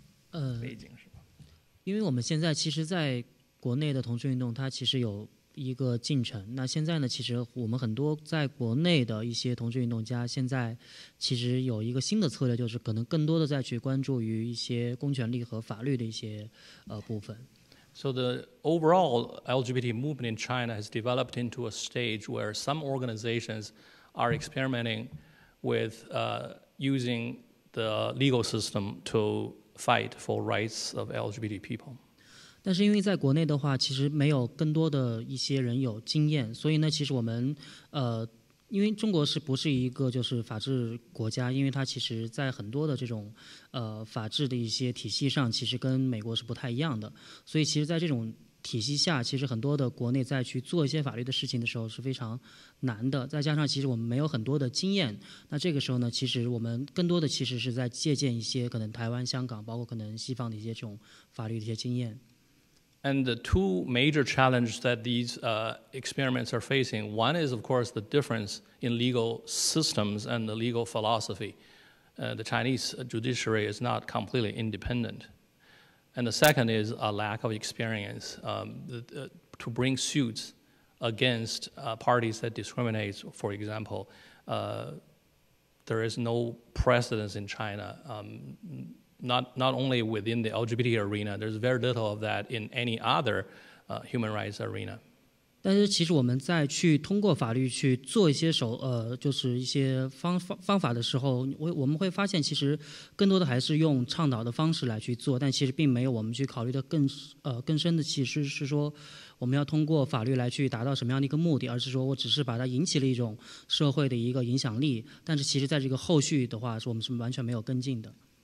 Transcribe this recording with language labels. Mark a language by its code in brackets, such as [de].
[en] So the overall LGBT movement in China has developed into a stage where some organizations are experimenting with using the legal system to fight for rights of LGBT people. [zh] 但是因为在国内的话，其实没有更多的一些人有经验，所以呢，其实我们因为中国是不是一个就是法治国家，因为它其实在很多的这种法治的一些体系上其实跟美国是不太一样的，所以其实在这种体系下，其实很多的国内在去做一些法律的事情的时候是非常难的，再加上其实我们没有很多的经验，那这个时候呢，其实我们更多的其实是在借鉴一些可能台湾、香港，包括可能西方的一些这种法律的一些经验。 [en] And the two major challenges that these experiments are facing, one is, of course, the difference in legal systems and the legal philosophy. The Chinese judiciary is not completely independent. And the second is a lack of experience to bring suits against parties that discriminate. For example, there is no precedence in China. Not only within the LGBT arena, there's very little of that in any other human rights arena. [zh] 但是其实我们在去通过法律去做一些就是一些方法的时候，我们会发现其实更多的还是用倡导的方式来去做，但其实并没有我们去考虑的更深的，其实是说我们要通过法律来去达到什么样的一个目的，而是说我只是把它引起了一种社会的一个影响力，但是其实在这个后续的话，我们是完全没有跟进的。